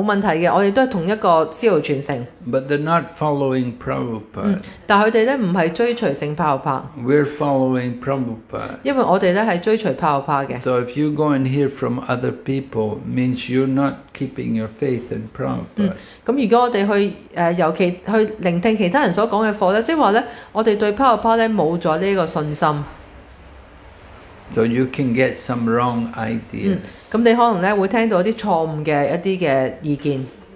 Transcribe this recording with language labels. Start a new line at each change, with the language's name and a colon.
Chinese: 这些人通常都会说没问题的,我们都是同一个师父传承。
English: But they're not following Prabhupada.
Chinese: 但他们不是追随圣帕帕。
English: We're following Prabhupada.
Chinese: 因为我们是追随帕帕的。
English: So if you go and hear from other people, means you're not keeping your faith in Prabhupada.
Chinese: 如果我们去聆听其他人所说的课, 即是说我们对帕帕没有了这个信心。
English: So you can get some wrong ideas.
Chinese: 你可能会听到一些错误的意见。